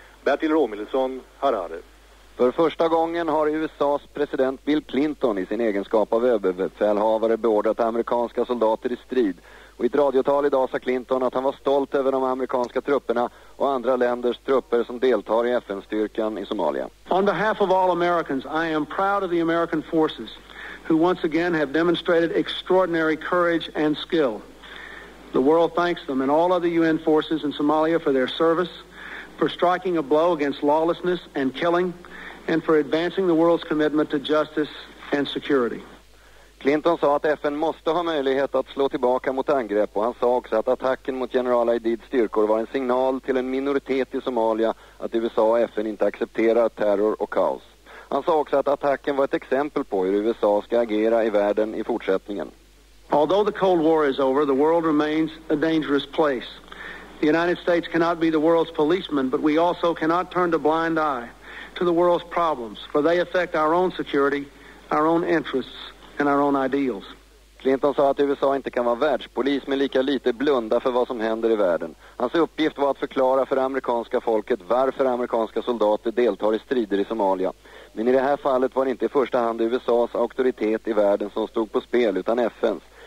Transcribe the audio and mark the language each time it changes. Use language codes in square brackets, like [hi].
[sv] Bertil Romilsson, Harare. För första gången har USAs president Bill Clinton i sin egenskap av överbefälhavare beordrat amerikanska soldater i strid. Och i ett radiotal idag sa Clinton att han var stolt över de amerikanska trupperna och andra länders trupper som deltar i FN-styrkan i Somalia. [en] On behalf of all Americans, I am proud of the American forces who once again have demonstrated extraordinary courage and skill. The world thanks them and all of the UN forces in Somalia for their service, for striking a blow against lawlessness and killing, and for advancing the world's commitment to justice and security. [sv] Clinton sa att FN måste ha möjlighet att slå tillbaka mot angrepp, och han sa också att attacken mot general Aidids styrkor var en signal till en minoritet i Somalia att USA och FN inte accepterar terror och kaos. Han sa också att attacken var ett exempel på hur USA ska agera i världen i fortsättningen. [en] Although the Cold War is over, the world remains a dangerous place. The United States cannot be the world's policeman, but we also cannot turn a blind eye to the world's problems, for they affect our own security, our own interests, and our own ideals. [sv] Clinton sa att USA inte kan vara världspolis men lika lite blunda för vad som händer i världen. Hans uppgift var att förklara för det amerikanska folket varför amerikanska soldater deltar i strider i Somalia. Men i det här fallet var det inte i första hand USAs auktoritet i världen som stod på spel, utan FNs.